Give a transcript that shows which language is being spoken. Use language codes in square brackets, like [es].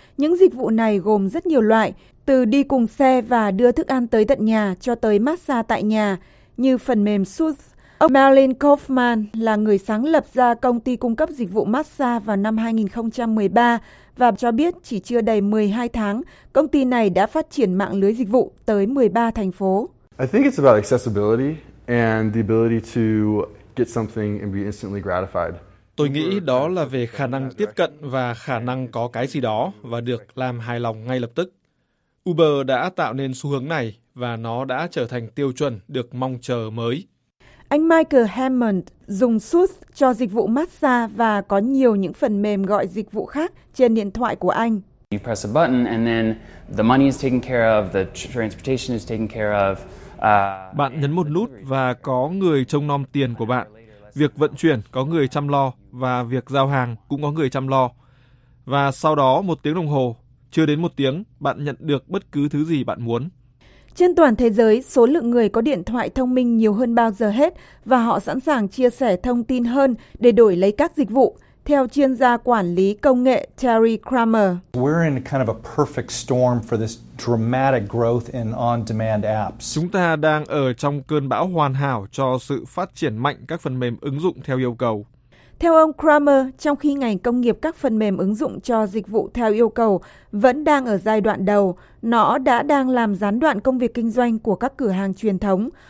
[vi] Những dịch vụ này gồm rất nhiều loại, từ đi cùng xe và đưa thức ăn tới tận nhà cho tới massage tại nhà, như phần mềm Soothe. Ông Merlin Kaufman là người sáng lập ra công ty cung cấp dịch vụ massage vào năm 2013 và cho biết chỉ chưa đầy 12 tháng, công ty này đã phát triển mạng lưới dịch vụ tới 13 thành phố. [en] I think it's about accessibility and the ability to get something and be instantly gratified. [vi] Tôi nghĩ đó là về khả năng tiếp cận và khả năng có cái gì đó và được làm hài lòng ngay lập tức. Uber đã tạo nên xu hướng này và nó đã trở thành tiêu chuẩn được mong chờ mới. Anh Michael Hammond dùng Soothe cho dịch vụ massage và có nhiều những phần mềm gọi dịch vụ khác trên điện thoại của anh. [en] You press a button and then the money is taken care of, the transportation is taken care of. [vi] Bạn nhấn một nút và có người trông nom tiền của bạn. Việc vận chuyển có người chăm lo và việc giao hàng cũng có người chăm lo. Và sau đó một tiếng đồng hồ, chưa đến một tiếng, bạn nhận được bất cứ thứ gì bạn muốn. Trên toàn thế giới, số lượng người có điện thoại thông minh nhiều hơn bao giờ hết và họ sẵn sàng chia sẻ thông tin hơn để đổi lấy các dịch vụ. theo chuyên gia quản lý công nghệ Terry Kramer. [en] We're in kind of a perfect storm for this dramatic growth in on-demand apps. [vi] Chúng ta đang ở trong cơn bão hoàn hảo cho sự phát triển mạnh các phần mềm ứng dụng theo yêu cầu. Theo ông Kramer, trong khi ngành công nghiệp các phần mềm ứng dụng cho dịch vụ theo yêu cầu vẫn đang ở giai đoạn đầu, nó đã đang làm gián đoạn công việc kinh doanh của các cửa hàng truyền thống.